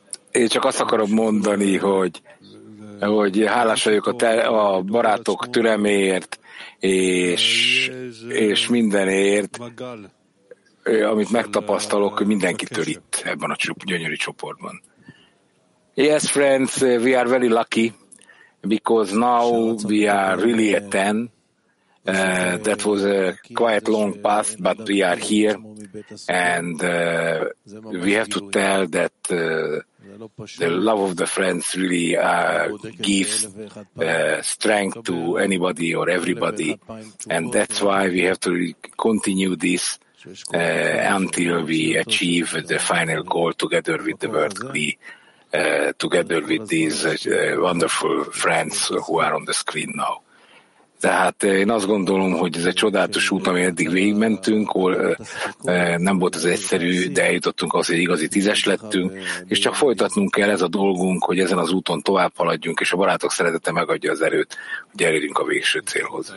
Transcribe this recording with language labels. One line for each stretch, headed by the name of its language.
Hungarian: Én csak azt akarom mondani, hogy hálás vagyok a barátok türeméért, és mindenért, amit megtapasztalok mindenkitől itt, ebben a gyönyörű csoportban.
English: Yes, friends, we are very lucky, because now we are really at 10. That was a quite long past, but we are here, and we have to tell that the love of the friends really gives strength to anybody or everybody, and that's why we have to continue this until we achieve the final goal together with the world, together with these wonderful friends who are on the screen now.
Hungarian: Tehát én azt gondolom, hogy ez egy csodálatos út, ami eddig végigmentünk, nem volt ez egyszerű, de eljutottunk az, hogy igazi tízes lettünk, és csak folytatnunk kell ez a dolgunk, hogy ezen az úton tovább haladjunk, és a barátok szeretete megadja az erőt, hogy elérjünk a végső célhoz.